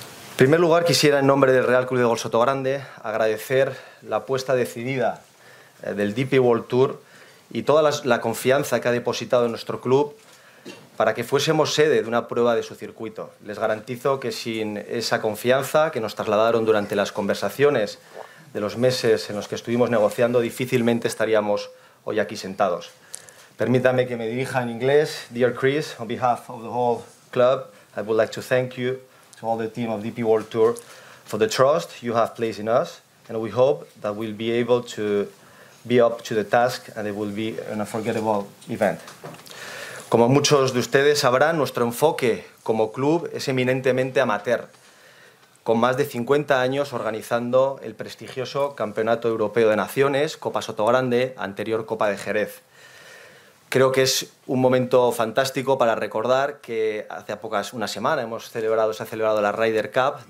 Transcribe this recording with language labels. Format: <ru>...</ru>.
<es>En primer lugar, quisiera en nombre del Real Club de Golf Soto Grande agradecer la apuesta decidida del DP World Tour y toda la confianza que ha depositado en nuestro club para que fuésemos sede de una prueba de su circuito. Les garantizo que sin esa confianza que nos trasladaron durante las conversaciones de los meses en los que estuvimos negociando, difícilmente estaríamos hoy aquí sentados. Permítame que me dirija en inglés.</es> <en>Dear Chris, on behalf of the whole club, I would like to thank you to all the team of DP World Tour for the trust you have placed in us, and we hope that we'll be able to be up to the task and it will be an unforgettable event.</en> <es>Como muchos de ustedes sabrán, nuestro enfoque como club es eminentemente amateur, con más de 50 años organizando el prestigioso Campeonato Europeo de Naciones, Copa Soto Grande, anterior Copa de Jerez. Creo que es un momento fantástico para recordar que hace pocas una semana se ha celebrado la Ryder Cup.</es>